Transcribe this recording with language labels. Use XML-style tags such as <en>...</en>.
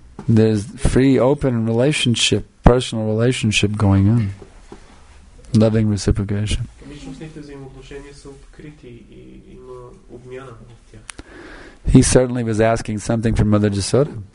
<en>There's free, open relationship, personal relationship going on. Loving reciprocation.</en> <bg>Личностните взаимоотношения са открити и има обмяна в тях.</bg> <en>He certainly was asking something from Mother Jasoda.</en>